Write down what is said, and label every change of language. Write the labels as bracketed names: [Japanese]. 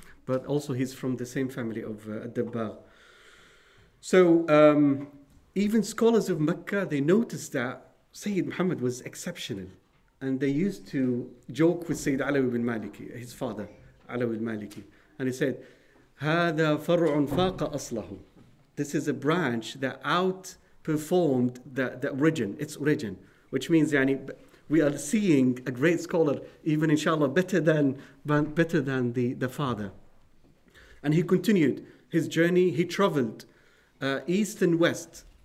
[English] But also he's from the same family of Dabbagh. So even scholars of Mecca, they noticed that Sayyid Muhammad was exceptional. And they used to joke with Sayyid Alawi bin Maliki, his father, Alawi al-Maliki. And he said, [Arabic] هَذَا فَرْعٌ فَاقَ أَصْلَهُ. [English] This is a branch that outperformed the origin, its origin. Which means, yani, we are seeing a great scholar, even inshallah, better than the father. And he continued his journey. He traveled east and west.